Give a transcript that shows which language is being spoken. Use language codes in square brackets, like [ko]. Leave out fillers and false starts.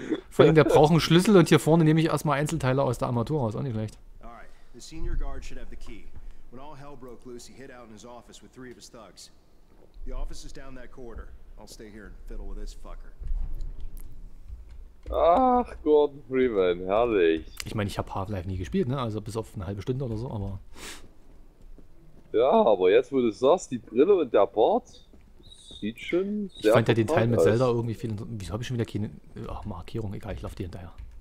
[de] Vor allem, der braucht einen Schlüssel und hier vorne nehme ich erstmal Einzelteile aus der Armatur raus. Auch nicht schlecht. [en] Alright, the senior guard should have the key. When all hell broke loose, he hid out in his office with three of his thugs. The office is down that corridor. I'll stay here and fiddle with this fucker. [de] Ach, Gordon Freeman, herrlich. Ich meine, ich habe Half-Life nie gespielt, ne? Also bis auf eine halbe Stunde oder so, aber... Ja, aber jetzt, wo du sagst, die Brille und der Bart, sieht schon sehr... Ich fand ja den Teil mit Zelda irgendwie viel... Wieso habe ich schon wieder keine... Ach, Markierung, egal, ich laufe dir hinterher.